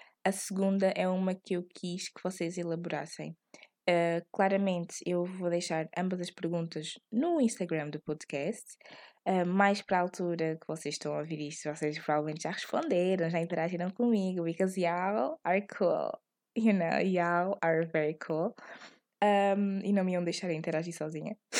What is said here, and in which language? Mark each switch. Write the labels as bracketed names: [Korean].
[Portuguese] A segunda é uma que eu quis que vocês elaborassem. Claramente, eu vou deixar ambas as perguntas no Instagram do podcast. Mais para a altura que vocês estão a ouvir isto, vocês provavelmente já responderam, já interagiram comigo, [English] because y'all are cool. You know, y'all are very cool. [Portuguese] E não me iam deixar interagir sozinha.